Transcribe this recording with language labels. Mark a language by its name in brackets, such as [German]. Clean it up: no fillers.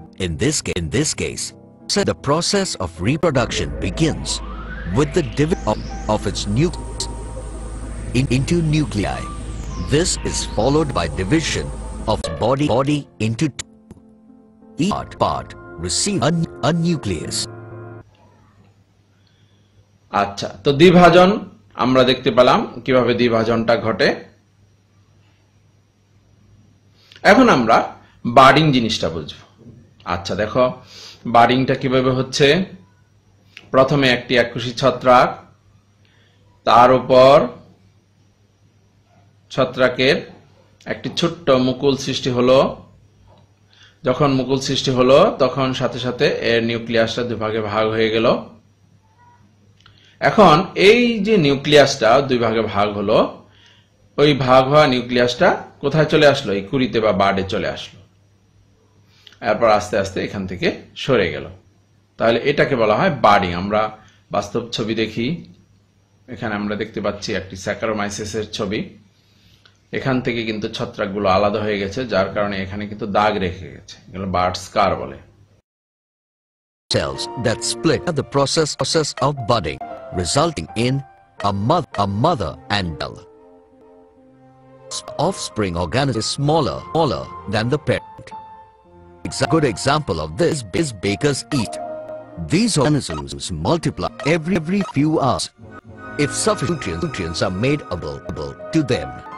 [English] In this case, so the process of reproduction begins with the division of its nucleus into nuclei. This is followed by division of body into two. Part receive a nucleus. [Bangla] আচ্ছা, তো দ্বিভাজন আমরা দেখতে পেলাম কিভাবে দ্বিভাজনটা ঘটে। এখন আমরা budding জিনিসটা বুঝব। আচ্ছা দেখো, বাডিংটা কিভাবে হচ্ছে? প্রথমে একটি এককোষী ছত্রাক, তার উপর ছত্রাকের একটি ছোট্ট মুকুল সৃষ্টি হলো। যখন মুকুল সৃষ্টি হলো, তখন সাথে সাথে এর নিউক্লিয়াসটা দুভাগে ভাগ হয়ে গেল। এখন এই যে নিউক্লিয়াসটা দুইভাগে ভাগ হলো, ওই ভাগ হওয়া নিউক্লিয়াসটা কোথায় চলে আসলো? এই কুড়িতে বা বাডে চলে আসলো। এরপর আস্তে আস্তে এখান থেকে সরে গেল। তাহলে এটাকে বলা হয় বাডিং। আমরা বাস্তব ছবি দেখি। এখানে আমরা দেখতে পাচ্ছি একটি স্যাকারোমাইসিসের ছবি। এখান থেকে কিন্তু ছত্রাকগুলো আলাদা হয়ে গেছে, যার কারণে এখানে কিন্তু দাগ রেখে গেছে, এগুলো বার্ড স্কার বলে। [English] Cells that split at the process of budding, resulting in a mother and male. Offspring organism is smaller than the parent. A good example of this is baker's yeast. These organisms multiply every few hours if sufficient nutrients are made available to them.